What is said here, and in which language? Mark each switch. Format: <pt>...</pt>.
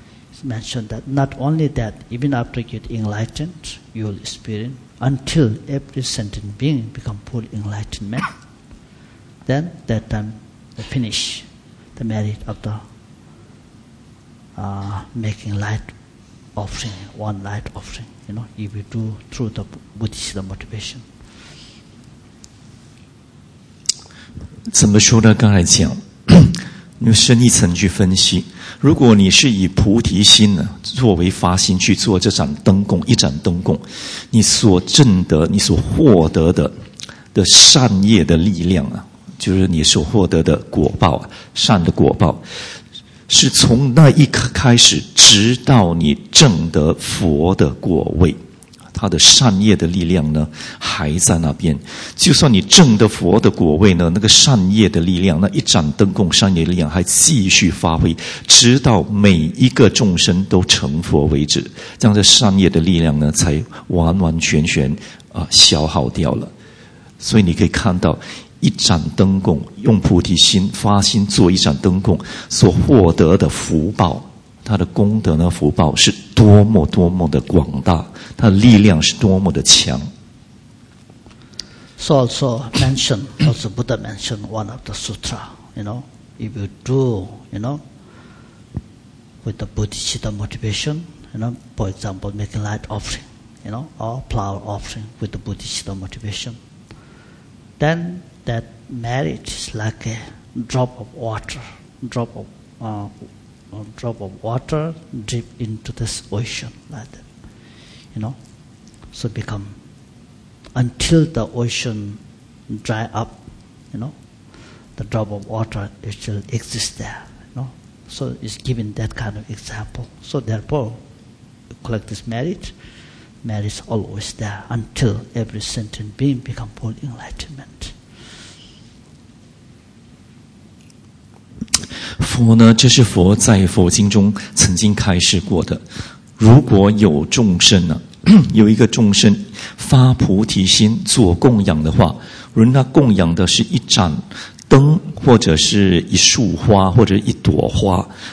<en>It's mentioned that not only that, even after you get enlightened, you'll experience until every sentient being become full enlightenment. Then that time they finish the merit of the making light offering, one light offering, you know, if you do through the bodhicitta motivation.</en> <zh>怎么说呢？刚才讲，用深一层去分析，如果你是以菩提心呢作为发心去做这盏灯供，一盏灯供，你所证得、你所获得的善业的力量啊。就是你所获得的果报，善的果报，是从那一刻开始，直到你证得佛的果位，他的善业的力量呢还在那边。就算你证得佛的果位呢，那个善业的力量，那一盏灯供善业的力量还继续发挥，直到每一个众生都成佛为止，这样的善业的力量呢才完完全全消耗掉了。所以你可以看到，一盏灯供用菩提心发心做一盏灯供所获得的福报，他的功德呢福报是多么多么的广大，他的力量是多么的强。</zh> <en>So also mention also Buddha mentioned one of the sutra, you know, if you do, you know, with the bodhicitta motivation, you know, for example making light offering, you know, or flower offering with the bodhicitta motivation, thenThat merit is like a drop of water drip into this ocean, like that, you know. So become, until the ocean dry up, you know, the drop of water still exists there, you know. So it's given that kind of example. So therefore, you collect this merit, merit is always there until every sentient being become full enlightenment.</en> <zh>佛呢，这是佛在佛经中曾经开示过的，如果有众生呢，有一个众生发菩提心做供养的话，如果他供养的是一盏灯或者是一束花或者一朵花，</zh>